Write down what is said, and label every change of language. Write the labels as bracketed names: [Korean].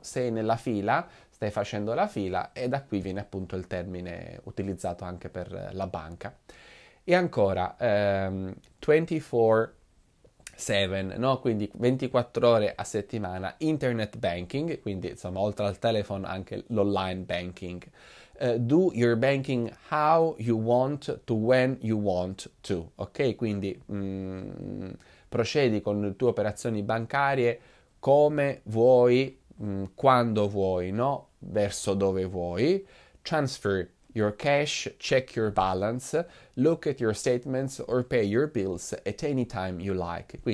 [Italian] Sei nella fila, stai facendo la fila, e da qui viene appunto il termine utilizzato anche per la banca. E ancora, 24 7, no? Quindi 24 ore a settimana, internet banking, quindi insomma oltre al telefono anche l'online banking. [English] Do your banking how you want to when you want to, ok? [Italian] Quindi procedi con le tue operazioni bancarie come vuoi, quando vuoi, no? Verso dove vuoi. [English] Transfer your cash, check your balance, look at your statements or pay your bills at any time you like.